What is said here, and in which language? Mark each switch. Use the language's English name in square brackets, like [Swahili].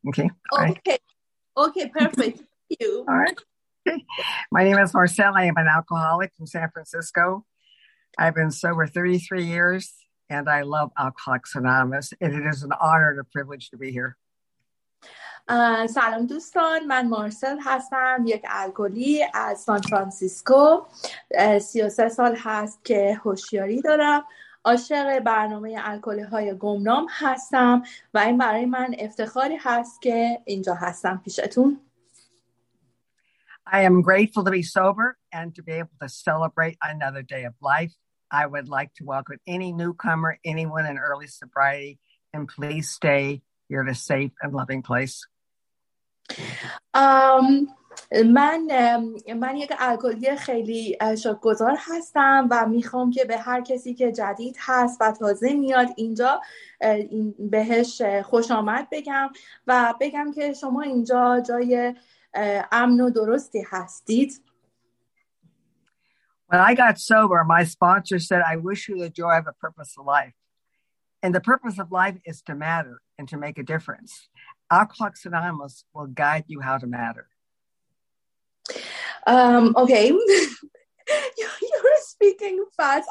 [English] Okay. Okay, perfect. Thank you. All right. My name is Marcel. I am an alcoholic from San Francisco. I've been sober 33 years. And I love Alcoholics Anonymous, and it is an honor and a privilege to be here. [Persian] سلام دوستان، من مارسل هستم، یک الکلی از سان فرانسیسکو. 33 سال هست که هوشیاری دارم، عاشق برنامه الکلی های گمنام هستم و این برای من افتخاری هست که اینجا هستم پیشتون. [English] I am grateful to be sober and to be able to celebrate another day of life. I would like to welcome any newcomer, anyone in early sobriety, and please stay. You're in a safe and loving place. [Persian] من یک الکلی خیلی شکرگزار هستم و میخوام که به هر کسی که جدید هست و تازه میاد اینجا بهش خوش آمد بگم و بگم که شما اینجا جای امن و درستی هستید. [English] When I got sober, my sponsor said, I wish you the joy of a purpose of life. And the purpose of life is to matter and to make a difference. Alcoholics Anonymous will guide you how to matter. Okay. You're speaking fast.